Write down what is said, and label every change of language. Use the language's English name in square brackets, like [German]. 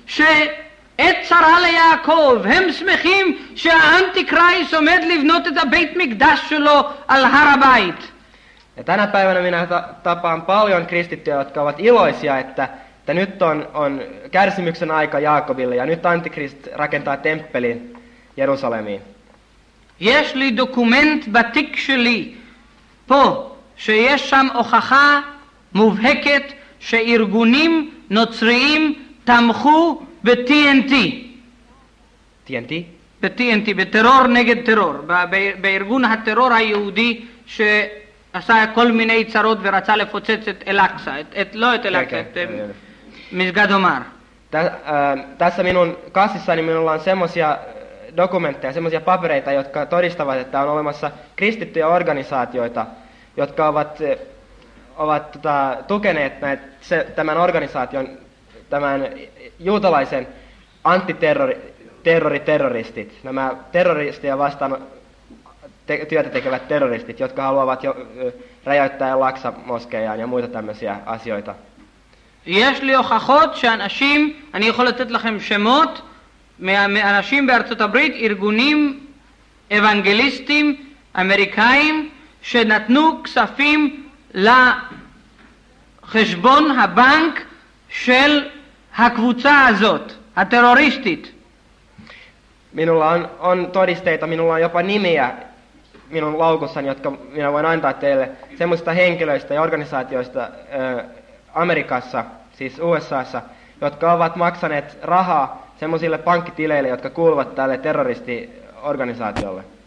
[Hebrew] שאת צרה ליעקב, הם שמחים שהאנטיקרייס עומד לבנות את הבית מקדש שלו על הר הבית. [Finnish] Ja tänä päivänä minä tapaan paljon kristittyjä, jotka ovat iloisia, että nyt on kärsimyksen aika Jaakobille ja nyt antikrist rakentaa temppelin Jerusalemiin. [Hebrew] יש לי דוקומנט בתיק שלי פה, שיש שם הוכחה מובהקת שארגונים נוצריים תמכו ב-TNT. TNT? ב-TNT, בטרור נגד טרור. בארגון הטרור היהודי שעשה כל מיני צרות ורצה לפוצץ את אל-אקסה. לא את אל-אקסה, את מסגד עומר. [Finnish] Tässä minun kassissani minulla on dokumentteja, semmoisia papereita, jotka todistavat, että on olemassa kristittyjä organisaatioita, jotka ovat tukeneet tämän organisaation, tämän juutalaisen antiterroristit, nämä terroristia vastaan työtä tekevät terroristit, jotka haluavat jo räjäyttää Laksa-moskejaan ja muita tämmöisiä asioita. [Hebrew] יש לי הוכחות שאנשים, אני יכול לתת לכם שמות מאנשים בארצות הברית, ארגונים אבנגליסטים, אמריקאים, שנתנו כספים לחשבון הבנק של הקבוצה הזאת, הטרוריסטית. [Finnish] Minulla on todisteita, minulla on jopa nimiä minun laukussani, jotka minä voin antaa teille semmoista henkilöistä ja organisaatioista Amerikassa. Siis USA:ssa, jotka ovat maksaneet rahaa semmoisille pankkitileille, jotka kuuluvat tälle terroristiorganisaatiolle.